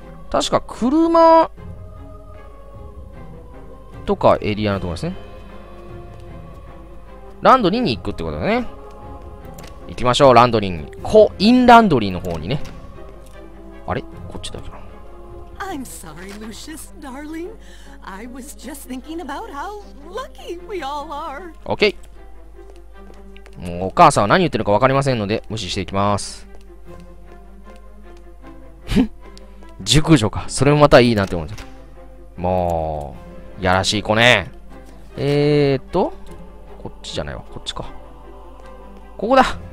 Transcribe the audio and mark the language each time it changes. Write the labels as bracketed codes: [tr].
[ja] 確か車とかエリアのところですね。ランドリーに行くってことだね。行きましょう、ランドリーに。コインランドリーの方にね。あれ？こっちだけど。 [en] I'm sorry, Lucius, darling. I was just thinking about how lucky we all are. OK。 [ja] もうお母さんは何言ってるか分かりませんので、無視していきます。熟女か。それもまたいいなって思うんですよ。もう、やらしい子ね。こっちじゃないわ。こっちか。ここだ。